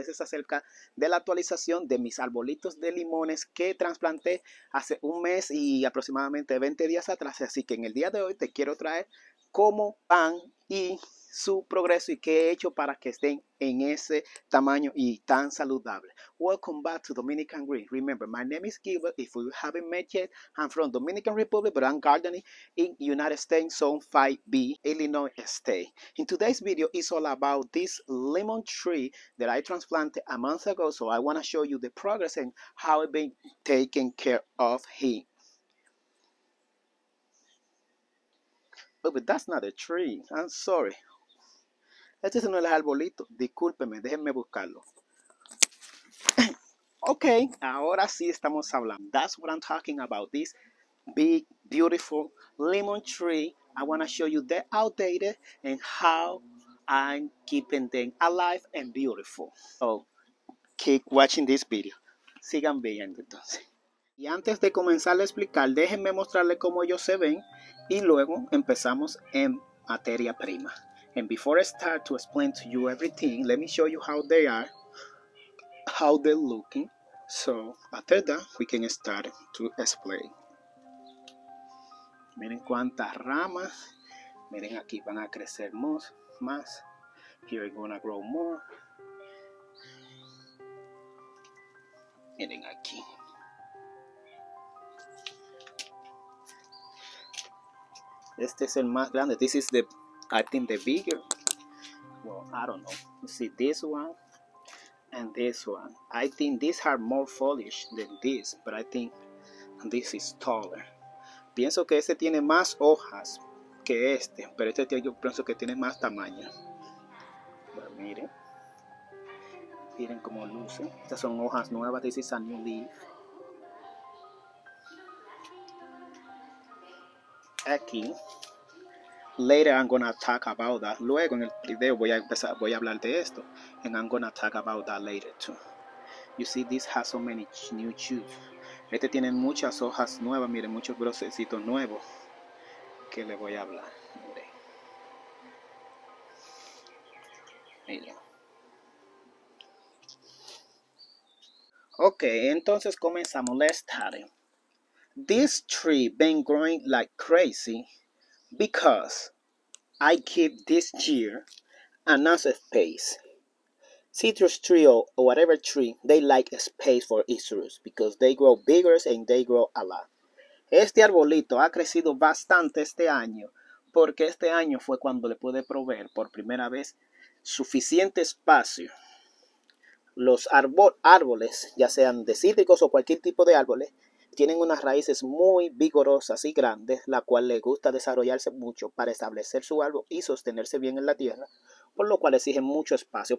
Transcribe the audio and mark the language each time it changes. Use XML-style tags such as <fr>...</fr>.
<es>Es acerca de la actualización de mis arbolitos de limones que trasplanté hace un mes y aproximadamente 20 días atrás. Así que en el día de hoy te quiero traer cómo van y su progreso y qué he hecho para que estén en ese tamaño y tan saludable.</es> <en>Welcome back to Dominican Green. Remember, my name is Gilbert. If you haven't met yet, I'm from Dominican Republic, but I'm gardening in United States, Zone 5B, Illinois State. In today's video, it's all about this lemon tree that I transplanted a month ago. So I want to show you the progress and how I've been taking care of him. Oh, but that's not a tree. I'm sorry.</en> <es>Este es uno de los arbolitos. Discúlpeme, déjenme buscarlo. Ok, ahora sí estamos hablando.</es> <en>That's what I'm talking about. This big, beautiful lemon tree. I want to show you the outdated and how I'm keeping them alive and beautiful. So, keep watching this video.</en> <es>Sigan viendo entonces. Y antes de comenzar a explicar, déjenme mostrarle cómo ellos se ven y luego empezamos en materia prima.</es> <en>And before I start to explain to you everything, let me show you how they are, how they're looking. So after that, we can start to explain.</en> <es>Miren cuántas ramas. Miren aquí van a crecer más.</es> <en>Here we're gonna grow more.</en> <es>Miren aquí. Este es el más grande.</es> <en>This is the, I think, the bigger. Well, I don't know. You see this one and this one. I think these are more foliage than this, but I think this is taller.</en> <es>Pienso que este tiene más hojas que este, pero este tiene, yo pienso que tiene más tamaño. Pero miren. Miren cómo luce. Estas son hojas nuevas.</es> <en>This is a new leaf. Aquí. Later I'm gonna talk about that.</en> <es>Luego en el video voy a empezar, voy a hablar de esto.</es> <en>And I'm gonna talk about that later too. You see, this has so many new shoots.</en> <es>Este tiene muchas hojas nuevas. Miren, muchos brotecitos nuevos. Que le voy a hablar. Miren. Miren. Ok, entonces comenzamos.</es> <en>Let's start. This tree been growing like crazy because I keep this year another space. Citrus tree or whatever tree, they like a space for its roots because they grow bigger and they grow a lot.</en> <es>Este arbolito ha crecido bastante este año porque este año fue cuando le pude proveer por primera vez suficiente espacio. Los árboles, ya sean de cítricos o cualquier tipo de árboles, tienen unas raíces muy vigorosas y grandes, la cual le gusta desarrollarse mucho para establecer su árbol y sostenerse bien en la tierra, por lo cual exige mucho espacio.</es>